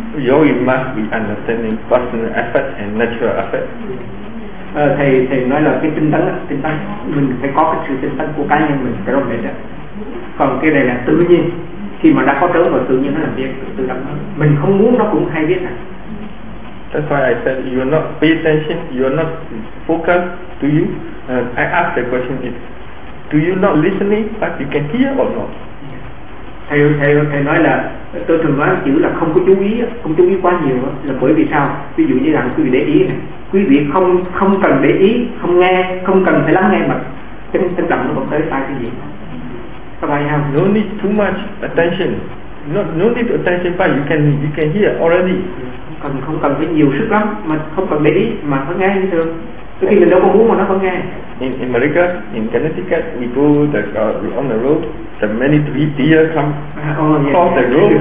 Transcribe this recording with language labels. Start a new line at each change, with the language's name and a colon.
English: Yogi must be understanding personal effort and natural effort.
Vietnamese: Thầy nói là cái tinh tấn, mình phải có cái sự tinh tấn của cá nhân mình phải rõ rệt. Còn cái này là tự nhiên, khi mà đã có trớn rồi tự nhiên nó làm việc tự động. Mình không muốn nó cũng hay biết.
English: That's why I said you're not pay attention, you're not focused. Do you? I ask the question is, do you not listening, but you can hear or not?
Vietnamese: Thầy nói là tôi thường nói chữ là không chú ý quá nhiều đó, là bởi vì sao? Ví dụ như là quý vị để ý này, quý vị không cần để ý, không nghe, không cần phải lắng nghe mà tâm động nó vẫn tới tai cái gì. Các bạn hiểu không?
English: No need too much attention. No need attention but you can hear already.
Vietnamese: Không cần phải nhiều sức lắm mà không cần để ý mà nó nghe như thường. Tôi khi mình đâu có muốn mà nó không nghe.
English: In America, in Connecticut, we go we on the road. The many three deer come cross the road.